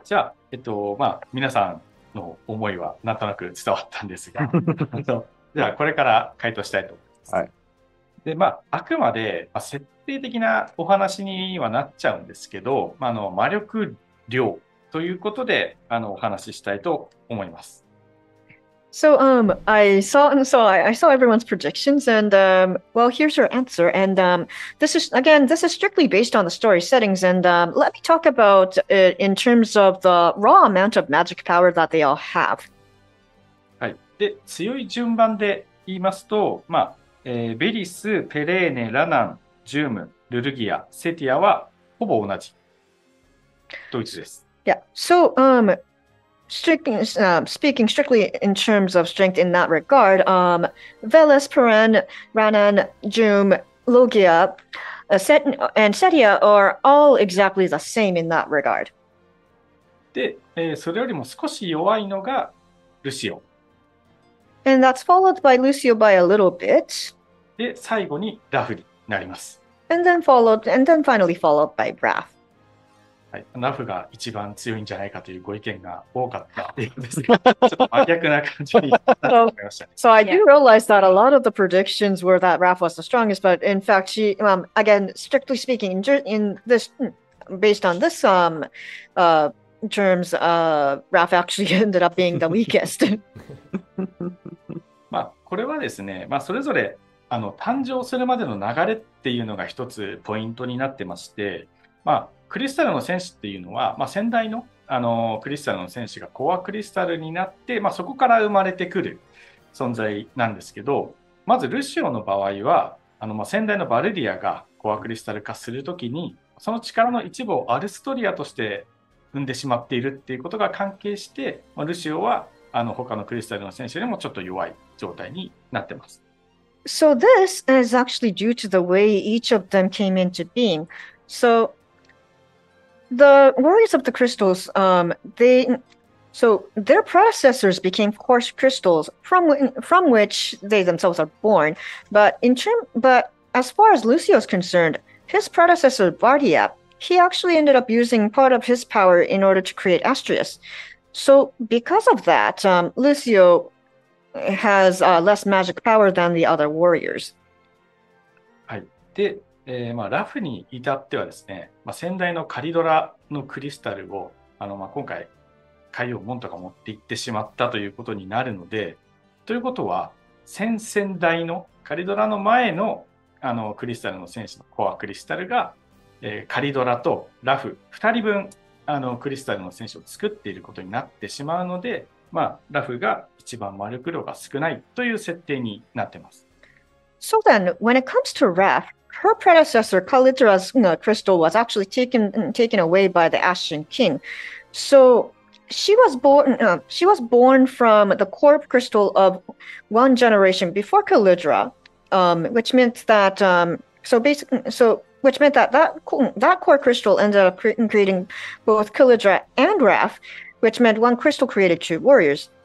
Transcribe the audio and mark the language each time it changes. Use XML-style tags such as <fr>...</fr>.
<ja>じゃあ、まあ、皆さんの思いはなんとなく伝わったんですが、じゃあ、これから回答したいと思います。はい。で、まあ、あくまで、まあ、設定的なお話にはなっちゃうんですけど、まあ、魔力量ということで、お話ししたいと思います。</ja> <en>So, I saw everyone's projections, and, well, here's your answer. And, this is strictly based on the story settings. And, let me talk about it in terms of the raw amount of magic power that they all have.</en> <ja>はい。で、強い順番で言いますと、まあ、ベリス、ペレーネ、ラナン、ジューム、ルルギア、セティアはほぼ同じ。ドイツです。</ja> <en>Yeah. So, speaking strictly in terms of strength in that regard, Veles, Perrin, Ranan, Joom, Logia, and Setia are all exactly the same in that regard.</en> <ja>で、それよりも少し弱いのがルシオ。</ja> <en>And that's followed by Lucio by a little bit.</en> <ja>で、最後にラフになります。</ja> <en>And then finally followed by Raph.</en> <ja>はい、ナフが一番強いんじゃないかというご意見が多かったですちょっと真逆な感じになってしまいましたね。</ja> <en>So I do realize that a lot of the predictions were that Raph was the strongest, but in fact, she, again, strictly speaking, in this, based on this, terms, Raph actually ended up being the weakest.</en> <ja>まあ、これはですね、まあ、それぞれ、誕生するまでの流れっていうのが一つポイントになってまして、まあ、クリスタルの戦士っていうのは、まあ、先代の、クリスタルの戦士がコアクリスタルになって、まあ、そこから生まれてくる存在なんですけど、まずルシオの場合は、まあ、先代のバルディアがコアクリスタル化するときに、その力の一部をアルストリアとして生んでしまっているっていうことが関係して、まあ、ルシオは他のクリスタルの戦士よりもちょっと弱い状態になってます。</ja> <en>So this is actually due to the way each of them came into being. So... The warriors of the crystals, their predecessors became coarse crystals from which they themselves are born. But as far as Lucio is concerned, his predecessor, Bardia, he actually ended up using part of his power in order to create Astrius. So because of that, Lucio has less magic power than the other warriors.</en> <ja>はい。で、まあ、ラフに至ってはですね、まあ、先代のカリドラのクリスタルを、まあ、今回、海王門とか持っていってしまったということになるので、ということは、先々代のカリドラの前の、クリスタルの戦士のコアクリスタルが、カリドラとラフ2人分、クリスタルの戦士を作っていることになってしまうので、まあ、ラフが一番魔力量が少ないという設定になってます。</ja> <en>So then, when it comes to Raph,Her predecessor, Kalidra's crystal, was actually taken away by the Ashen King. So she was born from the core crystal of one generation before Kalidra, which meant that core crystal ended up creating both Kalidra and Raph, which meant one crystal created two warriors.</en>